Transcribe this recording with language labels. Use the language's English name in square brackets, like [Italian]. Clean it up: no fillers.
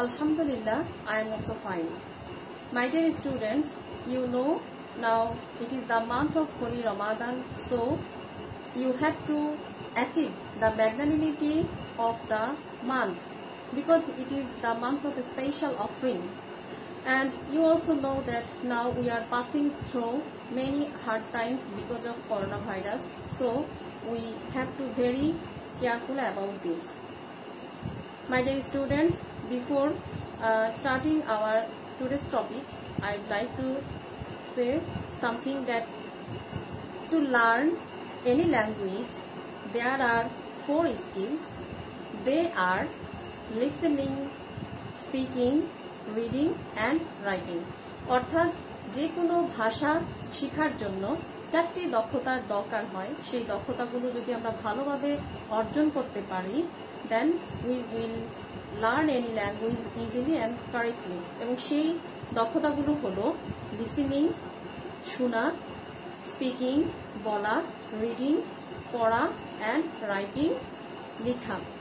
[English] अल्हम्दुलिल्लाह I am also fine. My dear students, you know now it is the month of holy Ramadan, so you have to achieve the magnanimity of the month because it is the month of special offering. And you also know that now we are passing through many hard times because of coronavirus, so we have to very careful about this. My dear students, before starting our today's topic, I'd like to say something that to learn any language, there are 4 skills. They are listening, speaking, reading and writing. [Bangla] অর্থাৎ যে কোনো ভাষা শেখার জন্য 4টি দক্ষতার দরকার হয়। সেই দক্ষতাগুলো যদি আমরা ভালোভাবে অর্জন করতে পারি, [English] Then we will learn any language easily and correctly. [Bangla] এবং সেই দক্ষতাগুলো হল লিসেনিং, শোনা, স্পিকিং, বলা, রিডিং, পড়া অ্যান্ড রাইটিং, লেখা।